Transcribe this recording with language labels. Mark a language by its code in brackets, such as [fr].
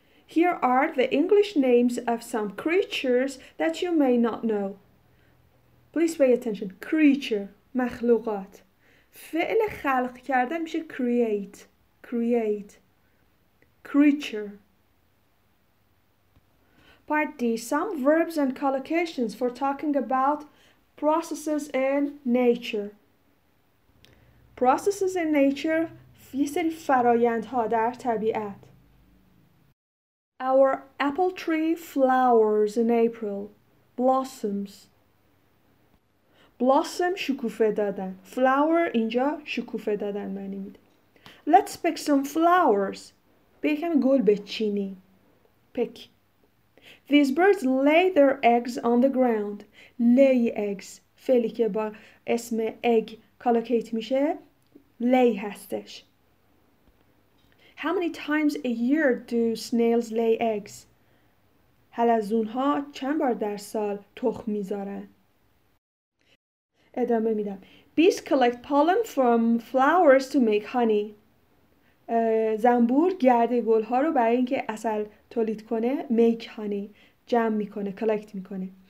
[en] Here are the English names of some creatures that you may not know. Please pay attention. Creature, [fa] مخلوقات. فعل خلق کردن میشه create. [en] Create. Creature. Part D. Some verbs and collocations for talking about processes in nature. Processes in nature, [fa] یه سری فرایندها در طبیعت. [en] Our apple tree flowers in April. Blossoms. [fa] Blossom شکوفه دادن. Flower اینجا شکوفه دادن معنی میده. [en] Let's pick some flowers. [fa] بیکن گل بچینی. [en] Pick. These birds lay their eggs on the ground. Lay eggs. [fa] فعلی که با اسم egg کالوکیت میشه. Lay هستش. [en] How many times a year do snails lay eggs? [fa] حلزون‌ها چند بار در سال تخم می‌ذارن؟ ادامه میدم. [en] Bees collect pollen from flowers to make honey. [fa] زنبور گرده گل‌ها رو برای اینکه عسل تولید کنه make honey جمع می‌کنه، collect می‌کنه.